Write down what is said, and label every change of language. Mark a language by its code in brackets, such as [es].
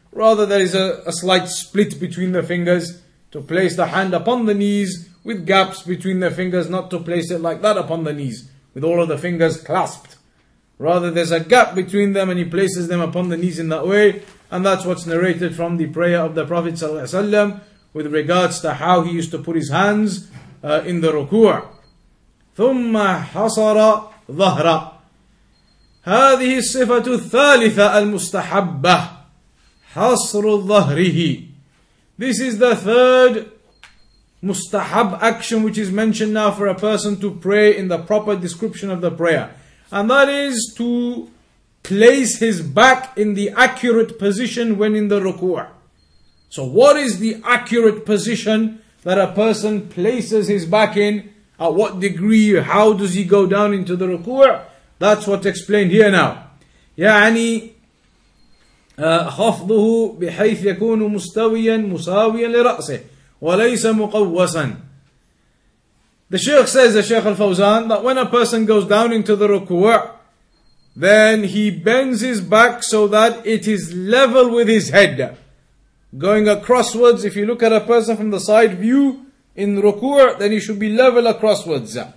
[en] Rather, there is a slight split between the fingers to place the hand upon the knees with gaps between the fingers, not to place it like that upon the knees with all of the fingers clasped. Rather, there's a gap between them and he places them upon the knees in that way. And that's what's narrated from the prayer of the Prophet ﷺ with regards to how he used to put his hands in the ruku'. [ar] ثُمَّ حَصَرَ ظَهْرَ. هذه الصفة الثالثة المستحبة حصر ظهره. [en] This is the third mustahab action which is mentioned now for a person to pray in the proper description of the prayer. And that is to place his back in the accurate position when in the ruku'. So what is the accurate position that a person places his back in? At what degree? How does he go down into the ruku'? That's what's explained here now. [ar] يعني خفضه بحيث يكون مستويا مساويا لرأسه وليس مقوسا. [en] The Shaykh says, the Shaykh Al-Fawzan, that when a person goes down into the ruku', then he bends his back so that it is level with his head. Going acrosswards, if you look at a person from the side view in ruku', then he should be level acrosswards.